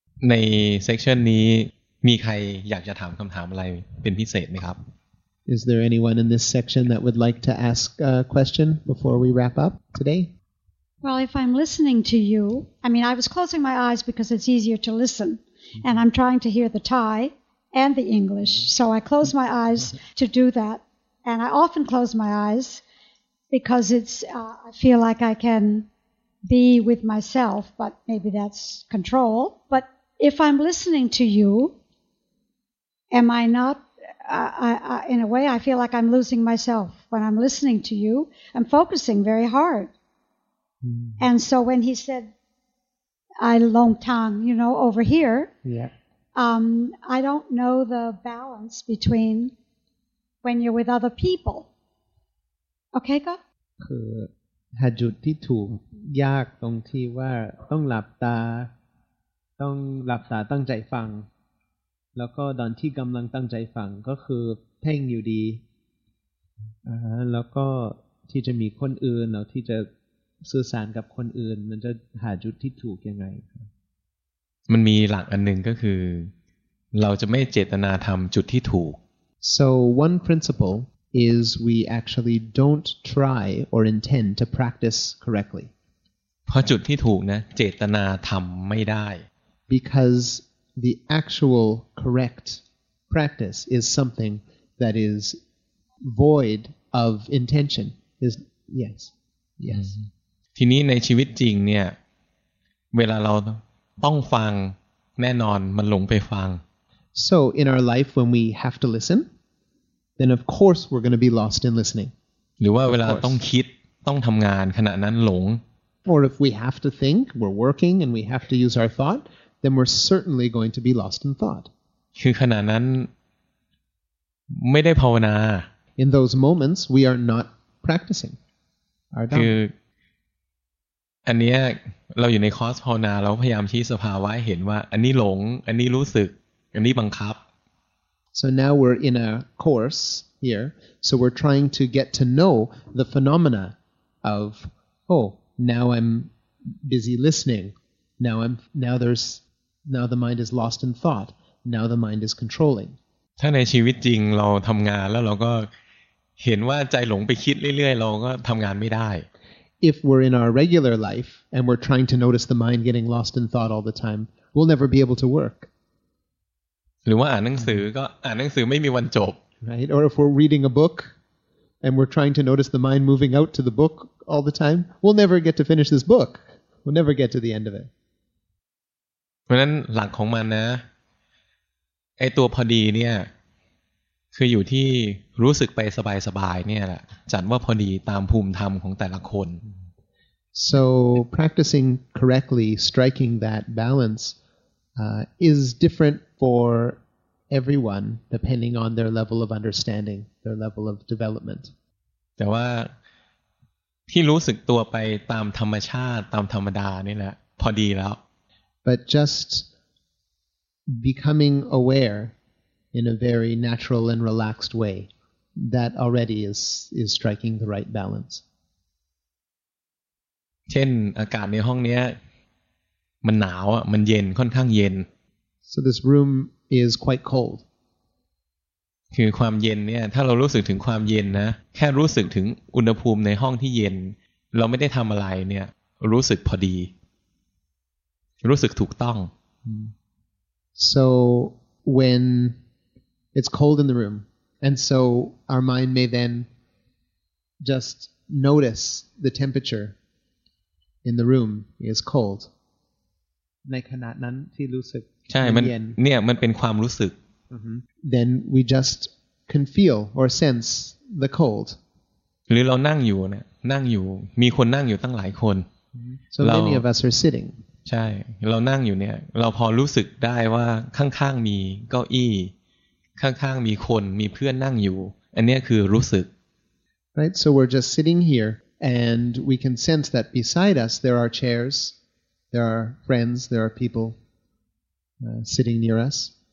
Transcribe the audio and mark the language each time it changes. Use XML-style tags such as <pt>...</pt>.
<th>ใน section นี้มีใครอยากจะถามคำถามอะไรเป็นพิเศษไหมครับ</th> <en>Is there anyone in this section that would like to ask a question before we wrap up today? Well, if I'm listening to you, I mean, I was closing my eyes because it's easier to listen, and I'm trying to hear the Thai and the English, so I close my eyes to do that, and I often close my eyes because it's I feel like I can be with myself, but maybe that's control, but if I'm listening to you. Am I not, in a way, I feel like I'm losing myself when I'm listening to you. I'm focusing very hard. And so when he said, I long tongue, you know, over here, I don't know the balance between when you're with other people. Okay, go?</en> <th>คือหาจุดที่ถูกยากตรงที่ว่าต้องหลับตาต้องหลับตาตั้งใจฟังแล้วก็ตอนที่กำลังตั้งใจฟังก็คือเพ่งอยู่ดีแล้วก็ที่จะมีคนอื่นแล้วที่จะสื่อสารกับคนอื่นมันจะหาจุดที่ถูกยังไง มันมีหลักอันหนึ่งก็คือเราจะไม่เจตนาทำจุดที่ถูก</th> <en>So one principle is we actually don't try or intend to practice correctly</en> <th>เพราะจุดที่ถูกนะเจตนาทำไม่ได้</th> <en>becauseThe actual correct practice is something that is void of intention. Is yes, yes.</en> <th>ทีนี้ในชีวิตจริงเนี่ยเวลาเราต้องฟังแน่นอนมันหลงไปฟัง</th> <en>So in our life when we have to listen, then of course we're going to be lost in listening.</en> <th>หรือว่าเวลาต้องคิดต้องทำงานขณะนั้นหลง</th> <en>Or if we have to think, we're working and we have to use our thought. Then we're certainly going to be lost in thought.</en> <th>คือขณะนั้นไม่ได้ภาวนา</th> <en>In those moments, we are not practicing.</en> <th>คืออันนี้เราอยู่ในคอร์สภาวนาเราพยายามชี้สภาวะเห็นว่าอันนี้หลงอันนี้รู้สึกอันนี้บังคับ</th> <en>So now we're in a course here. So we're trying to get to know the phenomena of oh, now I'm busy listening. Now the mind is lost in thought. Now the mind is controlling.</en> <th>ถ้าในชีวิตจริงเราทำงานแล้วเราก็เห็นว่าใจหลงไปคิดเรื่อยๆเราก็ทำงานไม่ได้</th> <en>If we're in our regular life and we're trying to notice the mind getting lost in thought all the time, we'll never be able to work.</en> <th>หรือว่าอ่านหนังสือก็อ่านหนังสือไม่มีวันจบ</th> <en>Right? Or if we're reading a book and we're trying to notice the mind moving out to the book all the time, we'll never get to finish this book. We'll never get to the end of it.</en> <th>เพราะนั้นหลักของมันนะไอตัวพอดีเนี่ยคืออยู่ที่รู้สึกไปสบายๆเนี่ยแหละจัดว่าพอดีตามภูมิธรรมของแต่ละคน</th> <en>So practicing correctly striking that balance is different for everyone depending on their level of understanding their level of development</en> <th>แต่ว่าที่รู้สึกตัวไปตามธรรมชาติตามธรรมดานี่แหละพอดีแล้ว</th> <en>But just becoming aware in a very natural and relaxed way, that already is striking the right balance.</en> <th>เช่นอากาศในห้องนี้มันหนาวอ่ะมันเย็นค่อนข้างเย็น</th> <en>So this room is quite cold.</en> <th>คือความเย็นเนี่ยถ้าเรารู้สึกถึงความเย็นนะแค่รู้สึกถึงอุณหภูมิในห้องที่เย็นเราไม่ได้ทำอะไรเนี่ยรู้สึกพอดีรู้สึกถูกต้อง</th> <en>So when It's cold in the room. And so our mind may then just notice the temperature in the room is cold.</en> <th>ในขณะนั้นที่รู้สึก ใช่มันเนี่ยมันเป็นความรู้สึก</th> <en>Then we just can feel or sense the cold.</en> <th>หรือเรานั่งอยู่เนี่ยนั่งอยู่มีคนนั่งอยู่ตั้งหลายคน</th> <en>So many of us are sitting.</en> <th>ใช่เรานั่งอยู่เนี่ยเราพอรู้สึกได้ว่าข้างๆมีเก้าอี้ข้างๆมีคนมีเพื่อนนั่งอยู่อันนี้คือรู้สึก</th> <en>Right. So we're just sitting here, and we can sense that beside us there are chairs. There are friends, there are people sitting near us.</en>